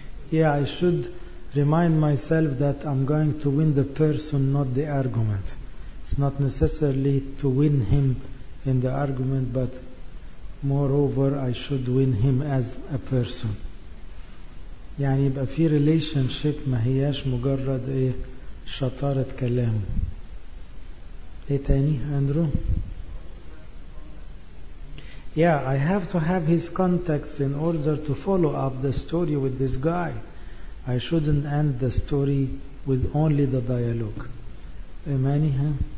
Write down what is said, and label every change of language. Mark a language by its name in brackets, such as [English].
[English] Yeah, I should remind myself that I'm going to win the person, not the argument. It's not necessarily to win him in the argument, but moreover I should win him as a person. [Arabic] يعني يبقى في relationship ما هياش مجرد ايه شطارة كلام. ايه تاني اندرو؟ [English] Yeah, I have to have his contacts in order to follow up the story with this guy. I shouldn't end the story with only the dialogue. Imani, huh?